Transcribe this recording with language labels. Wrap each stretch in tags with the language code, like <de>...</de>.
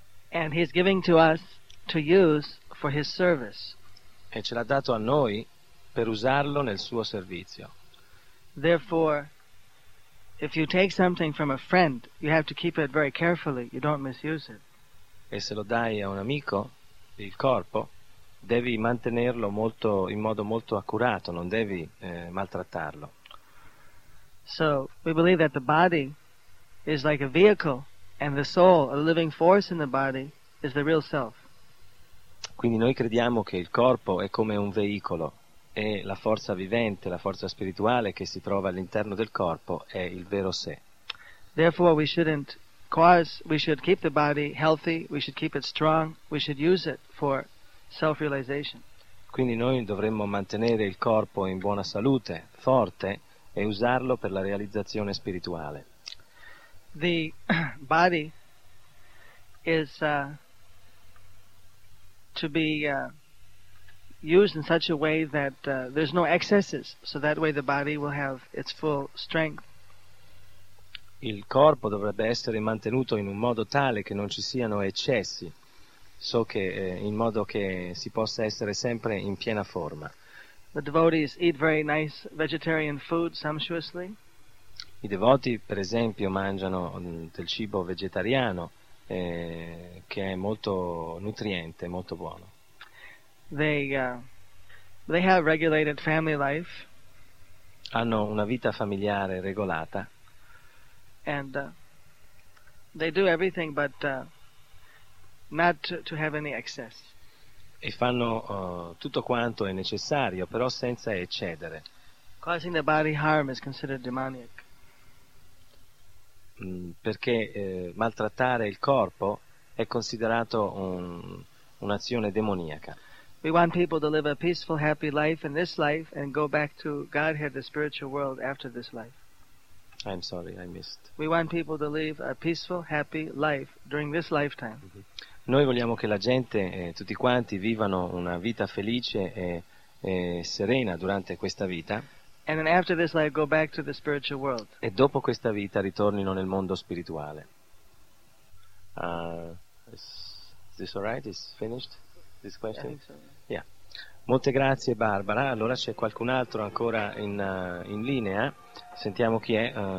<en>And he's giving to us to use for his service.</en> <it>E ce l'ha dato a noi per usarlo nel suo servizio.</it> <en>Therefore, if you take something from a friend, you have to keep it very carefully, you don't misuse it.</en> <it>E se lo dai a un amico, il corpo, devi mantenerlo molto, in modo molto accurato, non devi maltrattarlo.</it> <en>So, we believe that the body is like a vehicle, and the soul, a living force in the body, is the real self.</en> <it>Quindi noi crediamo che il corpo è come un veicolo. E la forza vivente, la forza spirituale che si trova all'interno del corpo è il vero sé.</it> <en>Therefore we shouldn't cause, we should keep the body healthy, we should keep it strong, we should use it for self-realization.</en> <it>Quindi noi dovremmo mantenere il corpo in buona salute, forte, e usarlo per la realizzazione spirituale.</it> <en>The body is to be used in such a way that there's no excesses, so that way the body will have its full strength.</en> <it>Il corpo dovrebbe essere mantenuto in un modo tale che non ci siano eccessi, so che in modo che si possa essere sempre in piena forma.</it> <en>The devotees eat very nice vegetarian food sumptuously.</en> <it>I devoti, per esempio, mangiano del cibo vegetariano che è molto nutriente, molto buono.</it> <en>They have regulated family life.</en> <it>Hanno una vita familiare regolata.</it> <en>And they do everything but not to have any excess.</en> <it>E fanno tutto quanto è necessario, però senza eccedere.</it> <en>Causing the body harm is considered demonic.</en> <it>Perché maltrattare il corpo è considerato un'azione demoniaca.</it> <en>We want people to live a peaceful, happy life in this life and go back to Godhead, the spiritual world, after this life. I'm sorry, I missed. We want people to live a peaceful, happy life during this lifetime. Mm-hmm.</en> <it>Noi vogliamo che la gente, tutti quanti, vivano una vita felice e serena durante questa vita.</it> <en>And then after this life go back to the spiritual world.</en> <it>E dopo questa vita ritornino nel mondo spirituale.</it> <en>Is this alright? Is finished? This question? So. Yeah.</en> <it>Molte grazie Barbara. Allora c'è qualcun altro ancora in in linea? Sentiamo chi è.</it>